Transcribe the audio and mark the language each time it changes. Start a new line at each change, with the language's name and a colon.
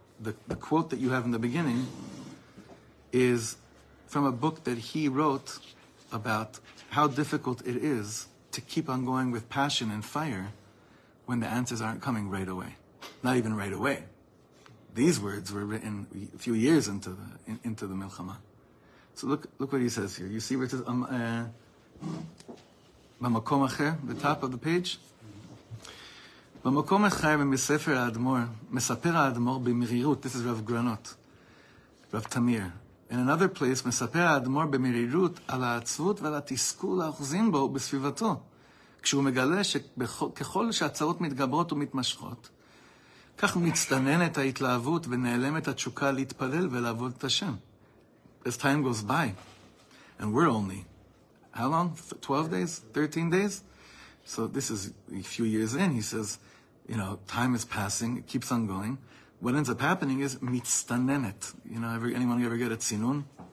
English: The quote that you have in the beginning is from a book that he wrote about how difficult it is to keep on going with passion and fire when the answers aren't coming right away. Not even right away. These words were written a few years into the Milchama. So look what he says here. You see where it says,
Hebrew: Bamakom Acher,
English: the top of the page?
Hebrew: במקום אחר ומספר האדמור, מספר האדמור במרירות,
English: this is Rav Granot, Rav Tamir. In another place,
Hebrew: מספר האדמור במרירות על העצבות ועל התסכול האוחזים בו בסביבתו, כשהוא מגלה שככל שהצרות מתגברות ומתמשכות, כך מצטננת ההתלהבות ונעלמת התשוקה להתפלל ולעבוד את השם.
English: As time goes by, and we're only, how long? 12 days? 13 days? So this is a few years in, he says, you know, time is passing, it keeps on going. What ends up happening is mitztanenet. You know, anyone ever get a tzinun?